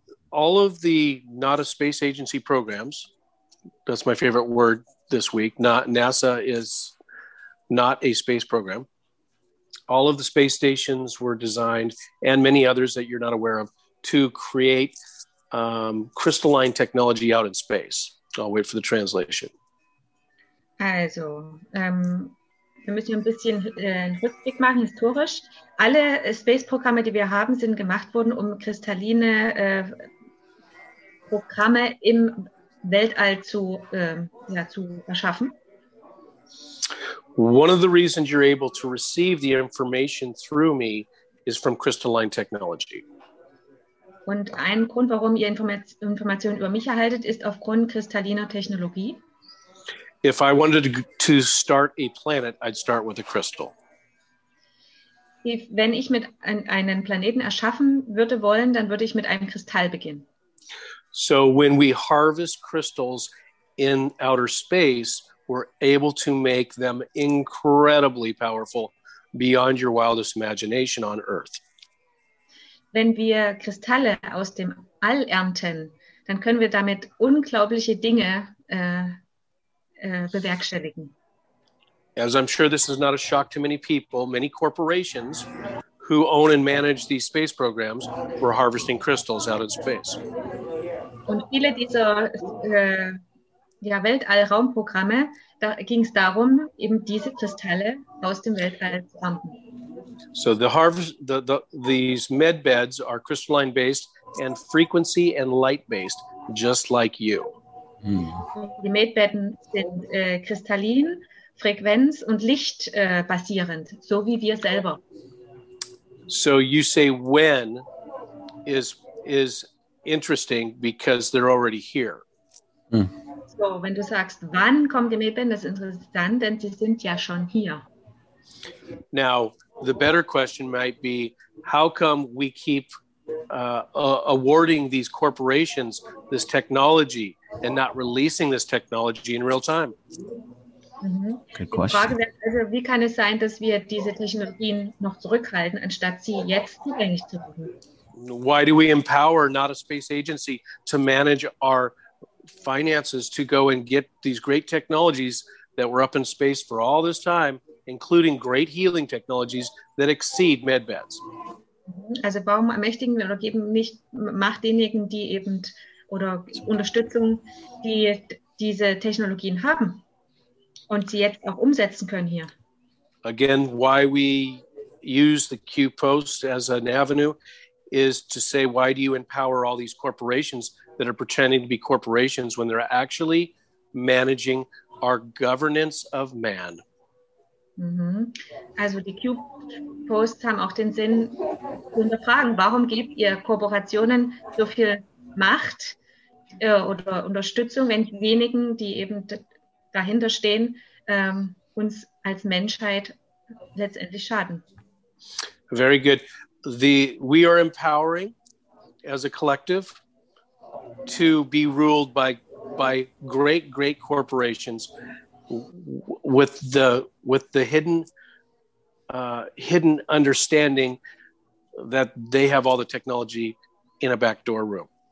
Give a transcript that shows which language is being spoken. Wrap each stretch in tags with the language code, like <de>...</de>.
<en>All of the Not a Space Agency programs, that's my favorite word this week, NASA is not a space program. All of the space stations were designed, and many others that you're not aware of, to create crystalline technology out in space. I'll wait for the translation.</en> <de>Also, wir müssen ein bisschen Rückblick machen, historisch. Alle Space-Programme, die wir haben, sind gemacht worden, um kristalline Programme im Weltall zu erschaffen.</de> <en>One of the reasons you're able to receive the information through me is from crystalline technology.</en> <de>Und ein Grund, warum ihr Informationen über mich erhaltet, ist aufgrund kristalliner Technologie.</de> <en>If I wanted to start a planet, I'd start with a crystal.</en> <de>Wenn ich mit einen Planeten erschaffen würde wollen, dann würde ich mit einem Kristall beginnen.</de> <en>So when we harvest crystals in outer space, we're able to make them incredibly powerful beyond your wildest imagination on Earth.</en> <de>Wenn wir Kristalle aus dem All ernten, dann können wir damit unglaubliche Dinge bewerkstelligen.</de> <en>As I'm sure this is not a shock to many people, many corporations who own and manage these space programs were harvesting crystals out in space.</en> <de>Und viele dieser Weltallraumprogramme, da ging es darum, eben diese Kristalle aus dem Weltall zu ernten.</de> <en>So these med beds are crystalline based and frequency and light based, just like you.</en> <de>Die Medbetten sind kristallin, frequenz- und lichtbasierend, so wie wir selber.</de> <en>So you say when is interesting because they're already here.</en> <de>So, wenn du sagst, wann kommen die Medbetten, das ist interessant, denn sie sind ja schon hier.</de> <en>Now, the better question might be, how come we keep awarding these corporations this technology and not releasing this technology in real time? Mm-hmm. Good question.</en> <de>Frage, also, wie kann es sein, dass wir diese Technologien noch zurückhalten, anstatt sie jetzt zugänglich zu machen?</de> <en>Why do we empower not a space agency to manage our finances to go and get these great technologies that were up in space for all this time, including great healing technologies that exceed medbeds?</en> <de>Also warum ermächtigen wir oder geben nicht Macht denjenigen, die eben oder Unterstützung, die diese Technologien haben und sie jetzt auch umsetzen können hier?</de> <en>Again, why we use the Q post as an avenue is to say, why do you empower all these corporations that are pretending to be corporations when they're actually managing our governance of man.</en> <de>Also die Q-Posts haben auch den Sinn zu hinterfragen, warum gebt ihr Kooperationen so viel Macht oder Unterstützung, wenn diejenigen, die eben dahinter stehen, uns als Menschheit letztendlich schaden.</de> <en>Very good. We are empowering as a collective to be ruled by great, great corporations with the hidden understanding that they have all the technology in a backdoor room.</en>